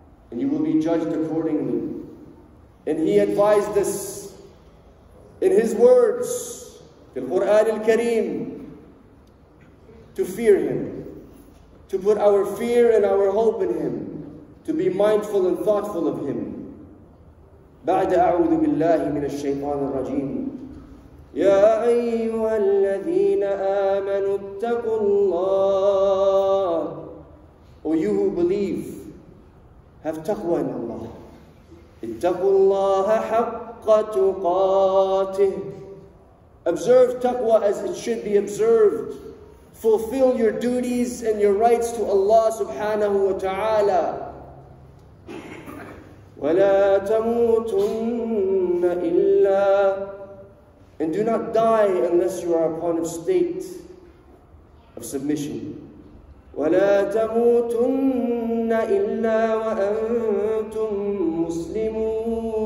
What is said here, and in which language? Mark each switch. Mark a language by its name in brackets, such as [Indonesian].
[English] And you will be judged accordingly. And He advised us in His words, the Quran al-Kareem, to fear Him, to put our fear and our hope in Him, to be mindful and thoughtful of Him. [Arabic] بعد أعوذ بالله من الشيطان الرجيم يا أيها الذين آمنوا اتقوا الله. [English] O you who believe, have taqwa in Allah. [Arabic] اتقوا الله حق تقاته. [English] Observe taqwa as it should be observed. Fulfill your duties and your rights to Allah subhanahu wa ta'ala. [Arabic] ولا تموتن إلا. [English] And do not die unless you are upon a state of submission. [Arabic] ولا تموتن إلا وأنتم مسلمون.